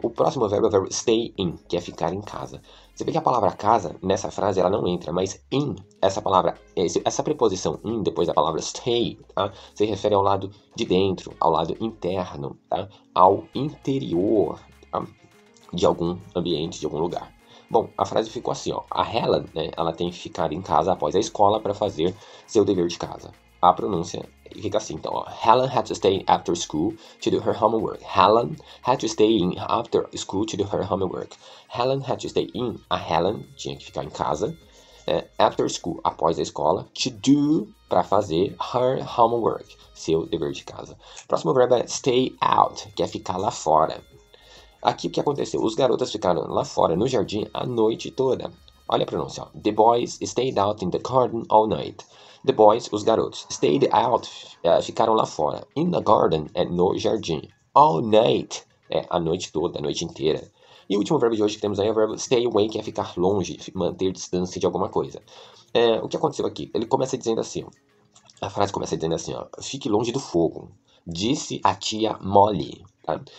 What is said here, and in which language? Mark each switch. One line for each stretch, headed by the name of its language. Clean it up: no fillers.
Portuguese: O próximo verbo é o verbo stay in, que é ficar em casa. Você vê que a palavra casa, nessa frase, ela não entra, mas in, essa palavra, essa preposição in, depois da palavra stay, tá? Se refere ao lado de dentro, ao lado interno, tá? Ao interior, tá? De algum ambiente, de algum lugar. Bom, a frase ficou assim, ó. A Helen, né, ela tem que ficar em casa após a escola para fazer seu dever de casa. A pronúncia fica assim, então, ó:
English: Helen had to stay after school to do her homework. Helen had to stay in after school to do her homework. Helen had to stay in,
Portuguese: a Helen tinha que ficar em casa,
English: After school,
Portuguese: após a escola.
English: To do,
Portuguese: para fazer.
English: Her homework,
Portuguese: seu dever de casa. Próximo verbo é stay out, que é ficar lá fora. Aqui o que aconteceu? Os garotos ficaram lá fora, no jardim, a noite toda. Olha a pronúncia. Ó.
English: The boys stayed out in the garden all night. The boys,
Portuguese: os garotos,
English: stayed out,
Portuguese: ficaram lá fora.
English: In the garden,
Portuguese: é no jardim.
English: All night,
Portuguese: é a noite toda, a noite inteira. E o último verbo de hoje que temos aí é o verbo stay away, que é ficar longe, manter distância de alguma coisa. O que aconteceu aqui? Ele começa dizendo assim, ó. A frase começa dizendo assim, ó. Fique longe do fogo, disse a tia Molly, tá?